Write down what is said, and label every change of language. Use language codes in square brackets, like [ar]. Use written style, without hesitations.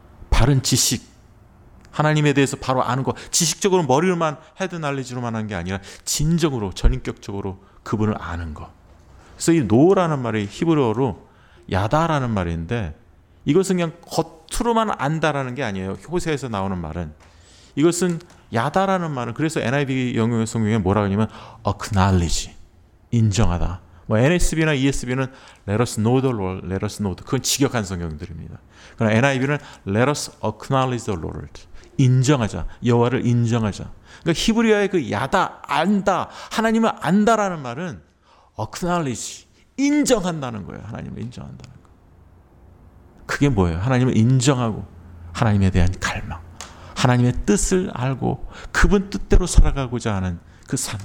[ko] 바른 지식, 하나님에 대해서 바로 아는 거, 지식적으로 머리로만 헤드 날리지로만 한 게 아니라 진정으로 전인격적으로 그분을 아는 거. 그래서 이 노라는 말이 히브리어로 야다라는 말인데, 이것은 그냥 겉으로만 안다라는 게 아니에요. 호세에서 나오는 말은 이것은 야다라는 말은, 그래서 NIV 영어 성경에 뭐라고 하냐면 acknowledge, 인정하다. 뭐 NSB나 ESB는 [en] let us know the Lord, let us know the, [ko] 그건 직역한 성경들입니다. 그러나 NIV는 [en] let us acknowledge the Lord, [ko] 인정하자, 여호와를 인정하자. 그러니까 히브리어의 그 야다, 안다, 하나님을 안다라는 말은 acknowledge, 인정한다는 거예요. 하나님을 인정한다는 거. 그게 뭐예요? 하나님을 인정하고 하나님에 대한 갈망, 하나님의 뜻을 알고 그분 뜻대로 살아가고자 하는 그 삶.